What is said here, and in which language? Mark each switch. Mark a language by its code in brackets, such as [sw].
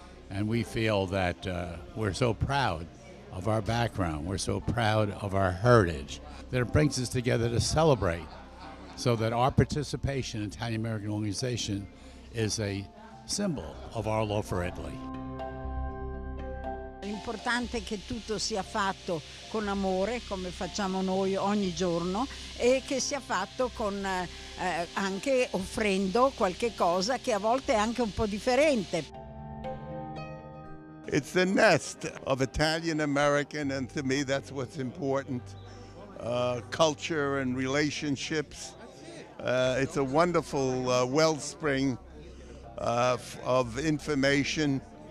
[en] And we feel that we're so proud of our background, we're so proud of our heritage, that it brings us together to celebrate, so that our participation in Italian-American organization is a symbol of our love for Italy. [it] L'importante è che tutto sia fatto con amore, come facciamo noi ogni giorno, e che sia fatto con anche offrendo qualche cosa che a volte è anche un po' differente. [en] It's the nest of Italian American, and to me that's what's important. Culture and relationships. It's a wonderful wellspring of information.